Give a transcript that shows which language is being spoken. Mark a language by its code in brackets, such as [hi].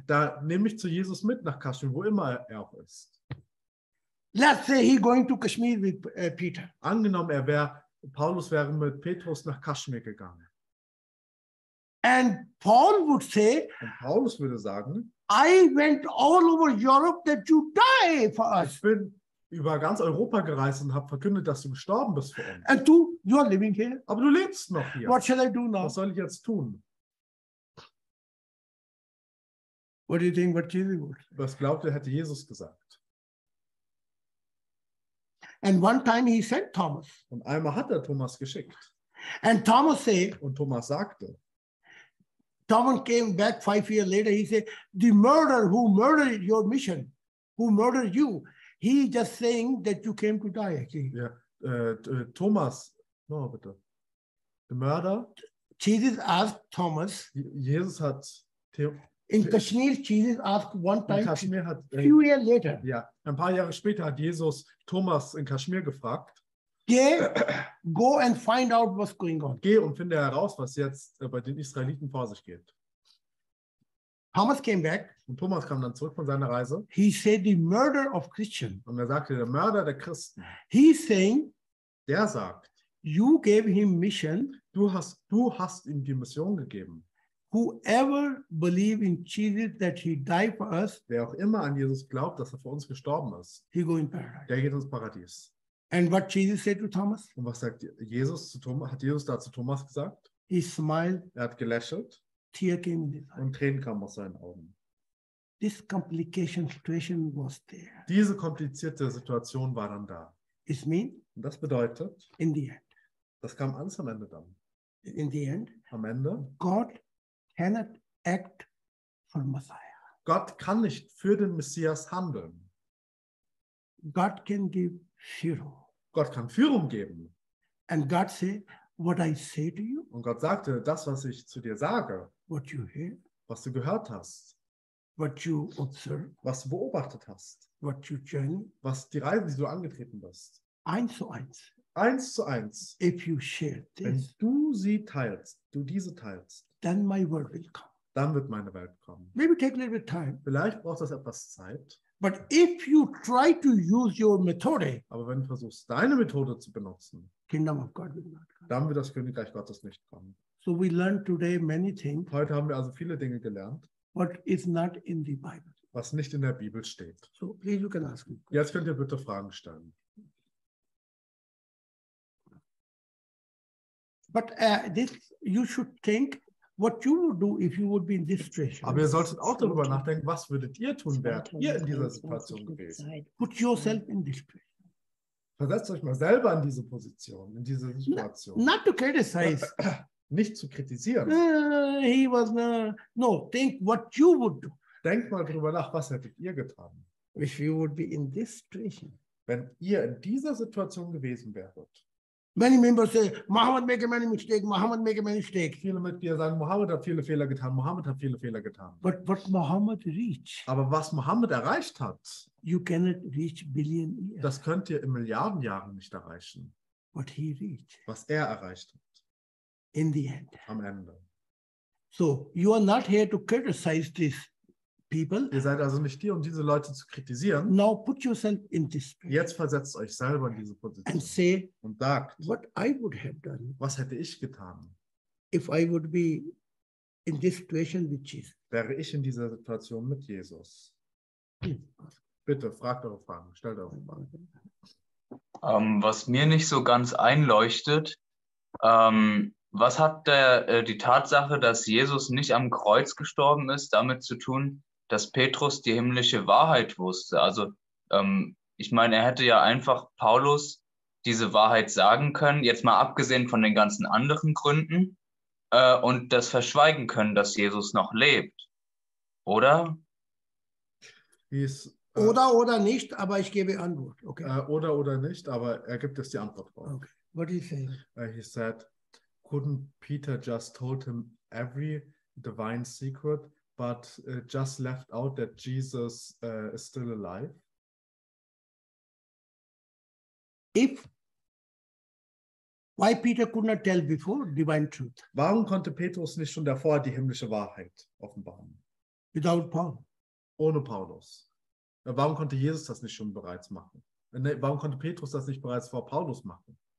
[de] Da nehme ich zu Jesus mit nach Kashmir, wo immer er auch ist. [en] Let's say he going to Kashmir with Peter. [de] Angenommen, Paulus wäre mit Petrus nach Kashmir gegangen. [en] And Paul would say, [de] und Paulus würde sagen, [en] I went all over Europe that you die for us. [de] Ich bin über ganz Europa gereist und habe verkündet, dass du gestorben bist für uns. [en] And you are living here. [de] Aber du lebst noch hier. [en] What shall I do now? [de] Was soll ich jetzt tun? [en] What do you think what Jesus would? [de] Was glaubt ihr, hätte Jesus gesagt? [en] And one time he sent Thomas. [de] Und einmal hat er Thomas geschickt. [en] And Thomas said, [de] und Thomas sagte, [en] Thomas came back 5 years later, he said, the murderer who murdered your mission, who murdered you, he just saying that you came to die. [de] Ja, Thomas, [en] no, [de] bitte. [en] The murder. Jesus asked Thomas. [de] Jesus hat [en] in Kashmir, Jesus asked one time, [de] hat, [en] few years later. [de] Ja, ein paar Jahre später hat Jesus Thomas in Kashmir gefragt. Geh, [en] go and find out what's going on. [de] Geh und finde heraus, was jetzt bei den Israeliten vor sich geht. [en] Thomas came back. [de] Und Thomas kam dann zurück von seiner Reise. [en] He said the murder of Christian. [de] Und er sagte, der Mörder der Christen. [en] He's saying, [de] der sagt, [en] you gave him mission. [de] Du hast ihm die Mission gegeben. [en] Whoever believe in Jesus that he died for us, [de] wer auch immer an Jesus glaubt, dass er für uns gestorben ist, [en] he go in paradise. [de] Der geht ins Paradies. [en] And what Jesus said to Thomas? [de] Und was sagt Jesus zu Thomas? Hat Jesus da zu Thomas gesagt? [en] He smiled. [de] Er hat gelächelt. [en] Tear came in his eyes. [de] Und Tränen kamen aus seinen Augen. [en] This complication situation was there. [de] Diese komplizierte Situation war dann da. [en] It mean? [de] Und das bedeutet? [en] In the end. [de] Das kam alles am Ende dann. [en] In the end. [de] Am Ende. [en] God cannot act for Messiah. [de] Gott kann nicht für den Messias handeln. [en] God can give Führung. [de] Gott kann Führung geben. [en] And God say, what I say to you, [de] und Gott sagte, das, was ich zu dir sage, [en] what you hear, [de] was du gehört hast, [en] what you observe, [de] was du beobachtet hast, [en] what you journey, [de] was die Reise, die du angetreten bist, eins zu eins. Eins zu eins. [en] If you share this, [de] wenn du sie teilst, du diese teilst, [en] then my world will come. [de] Dann wird meine Welt kommen. [en] Maybe take a little bit time. [de] Vielleicht braucht das etwas Zeit. [en] But if you try to use your methode, [de] aber wenn du versuchst, deine Methode zu benutzen, [en] Kingdom of God will not come. [de] Dann wird das Königreich Gottes nicht kommen. [en] So we learned today many things, [de] heute haben wir also viele Dinge gelernt, [en] what is not in the Bible. [de] Was nicht in der Bibel steht. [en] So please you can ask me. [de] Jetzt könnt ihr bitte Fragen stellen. [en] But this you should think what you would do if you would be in this situation. [de] Aber ihr solltet auch darüber nachdenken, was würdet ihr tun, wärt ihr in dieser Situation gewesen? [en] Put yourself in this situation. [de] Versetzt euch mal selber in diese Position, in diese Situation. [en] Not to criticize. [de] Nicht zu kritisieren. [en] He was not. No, think what you would do. [de] Denkt mal darüber nach, was hättet ihr getan? [en] If you would be in this situation. [de] Wenn ihr in dieser Situation gewesen wärt. [en] Many members say, Muhammad make many mistakes, Muhammad make many mistakes. [de] Viele Mitglieder sagen, Muhammad hat viele Fehler getan, Muhammad hat viele Fehler getan. [en] But what Muhammad reached, [de] aber was Muhammad erreicht hat, [en] you cannot reach billion years. [de] Das könnt ihr in Milliarden Jahren nicht erreichen. [en] What he reached, [de] was er erreicht hat. [en] In the end. [de] Am Ende. [en] So, you are not here to criticize this people. [de] Ihr seid also nicht hier, um diese Leute zu kritisieren. [en] Now put yourself in this. [de] Jetzt versetzt euch selber in diese Position. [en] And say, [de] und sagt, [en] what I would have done. [de] Was hätte ich getan? [en] If I would be in this situation with Jesus. [de] Wäre ich in dieser Situation mit Jesus? Bitte, fragt eure Fragen, stellt eure Fragen. Was mir nicht so ganz einleuchtet, was hat die Tatsache, dass Jesus nicht am Kreuz gestorben ist, damit zu tun, dass Petrus die himmlische Wahrheit wusste? Also ich meine, er hätte ja einfach Paulus diese Wahrheit sagen können, jetzt mal abgesehen von den ganzen anderen Gründen, und das verschweigen können, dass Jesus noch lebt, oder? Oder nicht, aber ich gebe Antwort. Okay. Oder nicht, aber er gibt es die Antwort drauf. [en] Okay. What did he say? He said, couldn't Peter just told him every divine secret, but just left out that Jesus is still alive? Why Peter could not tell before divine truth? [de] Warum konnte Petrus nicht schon davor die himmlische Wahrheit offenbaren? [en] Without Paul. [de] Ohne Paulus. Warum konnte Jesus das nicht schon bereits machen? Warum konnte Petrus das nicht bereits vor Paulus machen?